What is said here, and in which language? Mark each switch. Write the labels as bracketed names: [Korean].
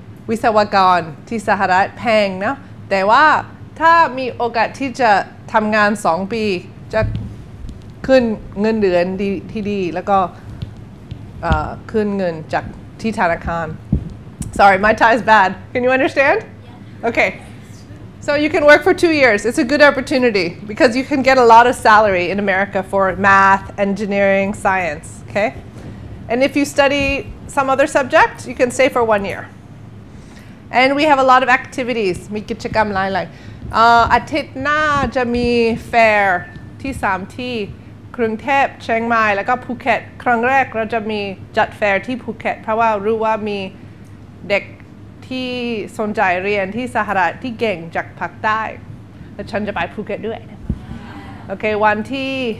[Thai] วิศวกรที่สหรัฐแพงนะแต่ว่าถ้ามีโอกาสที่จะทำงาน2ปีจะขึ้นเงินเดือนที่ดีแล้วก็ขึ้นเงินจากที่ธนาคาร [English] Sorry, my Thai is bad. Can you understand? Okay. So you can work for 2 years. It's a good opportunity because you can get a lot of salary in America for math, engineering, science. Okay? And if you study some other subject, you can stay for 1 year. And we have a lot of activities. [Thai] มีกิจกรรมหลายๆ อาทิตย์หน้าจะมีแฟร์ที่3ที่กรุงเทพเชียงใหม่แล้วก็ภูเก็ตครั้งแรกเราจะมีจัดแฟร์ที่ภูเก็ตเพราะว่ารู้ว่ามีเด็กที่สนใจเรียนที่สหรัฐที่เก่งจากภาคใต้แล้วฉันจะไปภูเก็ตด้วยโอเควันที่